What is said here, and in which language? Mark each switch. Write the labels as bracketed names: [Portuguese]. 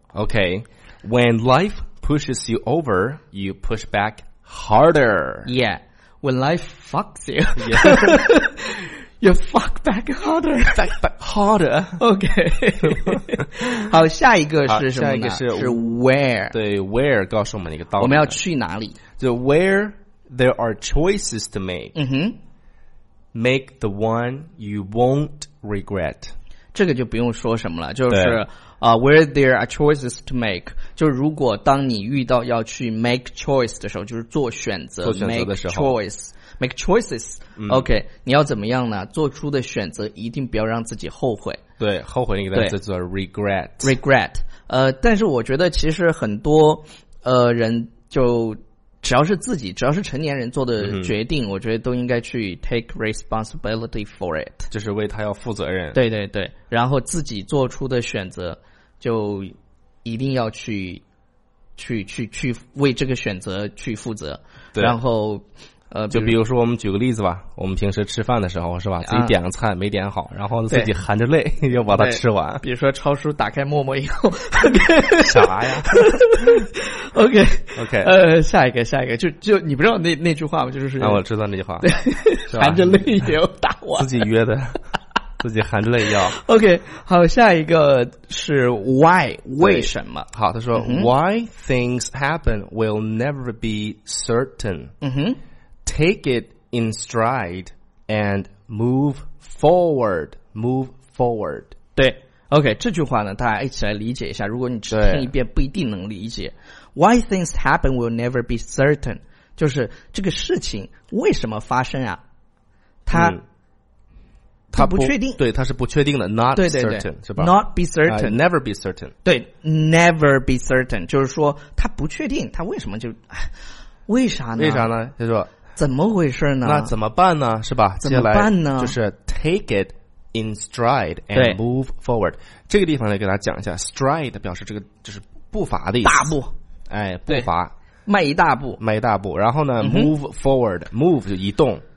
[English] OK， when life pushes you over, you push back harder. Yeah, when life fucks you.、 Yeah. You fuck back harder, back back harder. [Chinese] OK， 好，下一个是什么呢？下一个是 where。对 ，where 告诉我们一个道理。我们要去哪里？就 [English] where there are choices to make。嗯哼，make the one you won't regret。 [Chinese] 这个就不用说什么了，就是 [English] where there are choices to make， [Chinese] 就是如果当你遇到要去 make choice 的时候，就是做选择，做选择的时候 [English] ，make choice。 Make choices. OK,、嗯、 [Chinese] 你要怎么样呢？做出的选择一定不要让自己后悔。对，后悔那个单词叫 regret。 [English] Regret。 [Chinese] 但是我觉得其实很多人就只要是自己，只要是成年人做的决定、嗯、我觉得都应该去 [English] take responsibility for it。 [Chinese] 就是为他要负责任。对对对。然后自己做出的选择就一定要去为这个选择去负责。对。然后就比如说我们举个例子吧，我们平时吃饭的时候是吧，自己点个菜没点好，然后自己含着泪又把它吃完。比如说超叔打开陌陌以后啥呀 [English] OK OK， [Chinese] 下一个就你不知道那句话吗？就是那、啊、我知道那句话，对，含着泪也要打完，自己约的，自己含着泪要 [English] OK。 [Chinese] 好，下一个是 why， 为什么。好，他说、 [English] 嗯、why things happen will never be certain。嗯哼， Take it in stride and move forward. Move forward. [Chinese] 对 ，OK， 这句话呢，大家一起来理解一下。如果你只听一遍，不一定能理解。 [English] Why things happen will never be certain. [Chinese] 就是这个事情为什么发生啊？它不确定。对，它是不确定的。 [English] Not certain [Chinese] 对对对是吧 [English] ？Not be certain.、 Never be certain. 对 ，Never be certain. [Chinese] 就是说它不确定，它为什么就为啥呢？为啥呢？他说。怎么回事呢？那怎么办呢？是吧？怎么办呢？就是 [English] take it in stride and move forward。 [Chinese] 这个地方呢，给大家讲一下 ，stride 表示这个就是步伐的意思，大步，哎，步伐，迈一大步。 然后呢、嗯、， [English] move forward， [Chinese] move 就移动，